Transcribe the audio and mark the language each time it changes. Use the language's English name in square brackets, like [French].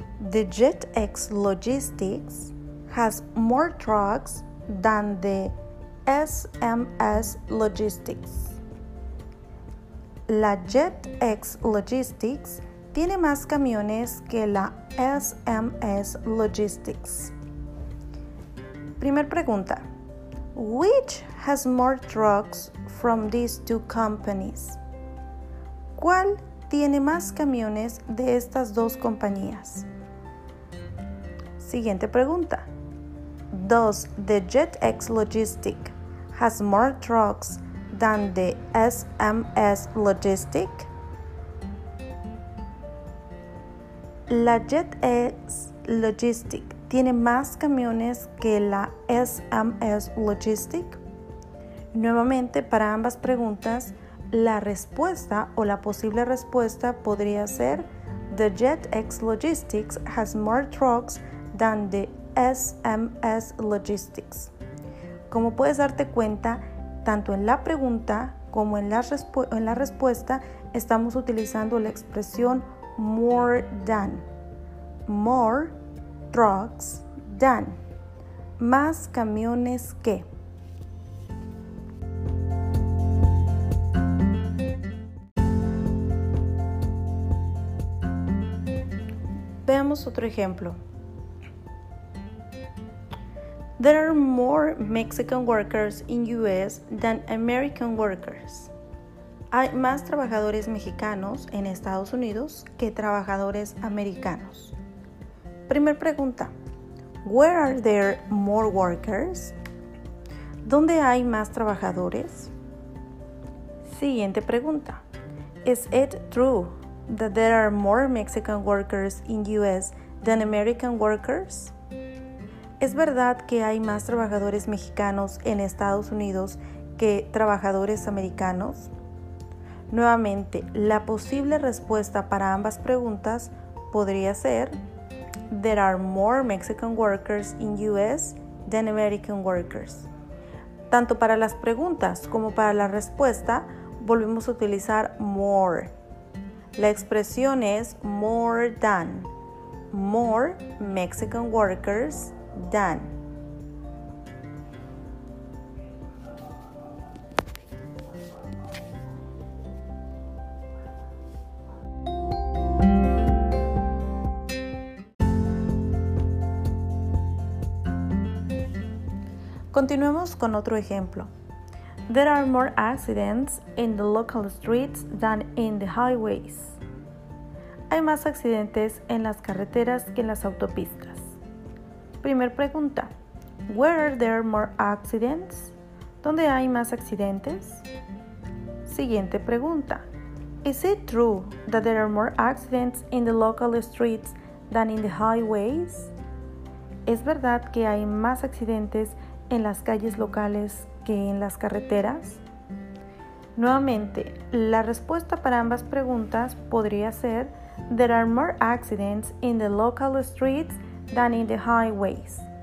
[English] The JetX Logistics has more trucks than the SMS Logistics. [Spanish] La JetX Logistics tiene más camiones que la SMS Logistics. Primer pregunta. [English] Which has more trucks from these two companies? [Spanish] ¿Cuál tiene más camiones de estas dos compañías? Siguiente pregunta. [English] Does the JetX Logistic has more trucks than the SMS Logistic? [Spanish] La JetX Logistic tiene más camiones que la SMS Logistic. Nuevamente, para ambas preguntas, la respuesta o la posible respuesta podría ser: [English] The JetX Logistics has more trucks than the SMS Logistics. [Spanish] Como puedes darte cuenta, tanto en la pregunta como en la respuesta, estamos utilizando la expresión more than. [English] More trucks than. [Spanish] Más camiones que. Veamos otro ejemplo. [English] There are more Mexican workers in US than American workers. [Spanish] Hay más trabajadores mexicanos en Estados Unidos que trabajadores americanos. Primer pregunta. [English] Where are there more workers? [Spanish] ¿Dónde hay más trabajadores? Siguiente pregunta. [English] Is it true that there are more Mexican workers in US than American workers? [Spanish] ¿Es verdad que hay más trabajadores mexicanos en Estados Unidos que trabajadores americanos? Nuevamente, la posible respuesta para ambas preguntas podría ser: [English] There are more Mexican workers in US than American workers. [Spanish] Tanto para las preguntas como para la respuesta, volvemos a utilizar more. La expresión es [English] more than. More Mexican workers Dan. [Spanish] Continuemos con otro ejemplo. [English] There are more accidents in the local streets than in the highways. [Spanish] Hay más accidentes en las carreteras que en las autopistas. Primer pregunta. [English] Where are there more accidents? [Spanish] ¿Dónde hay más accidentes? Siguiente pregunta. [English] Is it true that there are more accidents in the local streets than in the highways? [Spanish] ¿Es verdad que hay más accidentes en las calles locales que en las carreteras? Nuevamente, la respuesta para ambas preguntas podría ser: [English] There are more accidents in the local streets than in the highways.